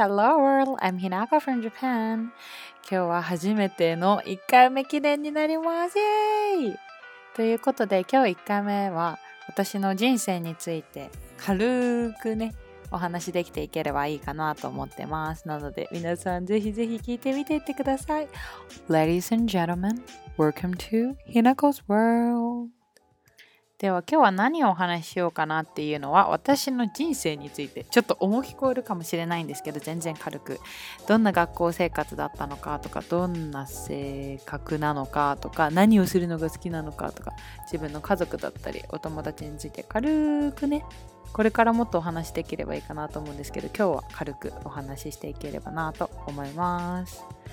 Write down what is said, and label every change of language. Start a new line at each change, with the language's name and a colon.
English: Hello world, I'm Hinako from Japan.
Japanese: 今日は初めての1回目記念になります。イエーイ！ということで、今日1回目は私の人生について軽くね、お話できていければいいかなと思ってます。なので、皆さんぜひぜひ聞いてみていってください。
English: Ladies and gentlemen, welcome to Hinako's world.
Japanese: では今日は何をお話ししようかなっていうのは、私の人生についてちょっと重聞こえるかもしれないんですけど、全然軽く、どんな学校生活だったのかとか、どんな性格なのかとか、何をするのが好きなのかとか、自分の家族だったりお友達について軽くね、これからもっとお話しできればいいかなと思うんですけど、今日は軽くお話ししていければなと思います。